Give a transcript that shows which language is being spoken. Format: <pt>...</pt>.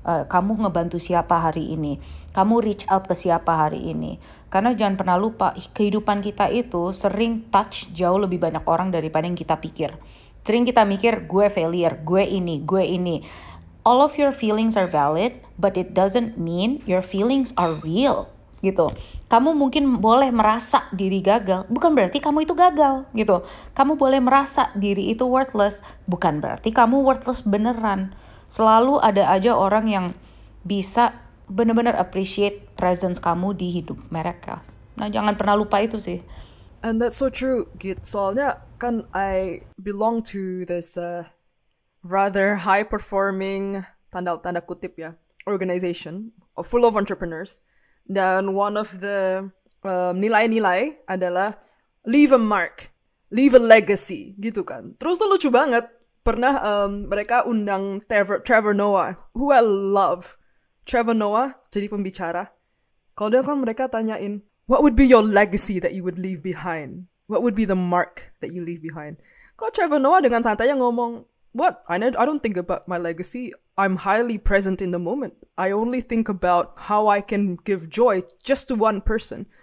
<id>Kamu ngebantu siapa hari ini? Kamu reach out ke siapa hari ini? Karena jangan pernah lupa, kehidupan kita itu sering touch jauh lebih banyak orang daripada yang kita pikir. Sering kita mikir, gue failure, gue ini.</id> <en>All of your feelings are valid, but it doesn't mean your feelings are real.</en> <id>Gitu. Kamu mungkin boleh merasa diri gagal, bukan berarti kamu itu gagal. Gitu. Kamu boleh merasa diri itu worthless, bukan berarti kamu worthless beneran. Selalu ada aja orang yang bisa benar-benar appreciate presence kamu di hidup mereka. Nah, jangan pernah lupa itu sih.</id> <en>And that's so true, Git.</en> <id>Soalnya kan</id> <en>I belong to this rather high-performing,</en> <id>tanda kutip ya,</id> <en>organization full of entrepreneurs. Dan one of the</en> <id>nilai-nilai adalah</id> <en>leave a mark, leave a legacy, gitu kan.</en> <id>Terus tuh lucu banget, pernah mereka undang Trevor Noah,</id> <en>who I love.</en> <id>Trevor Noah jadi pembicara. Kalau dia kan mereka tanyain,</id> <en>what would be your legacy that you would leave behind? What would be the mark that you leave behind?</en> <id>Kalau Trevor Noah dengan santainya ngomong,</id> <en>what? I don't think about my legacy. I'm highly present in the moment. I only think about how I can give joy just to one person.</en>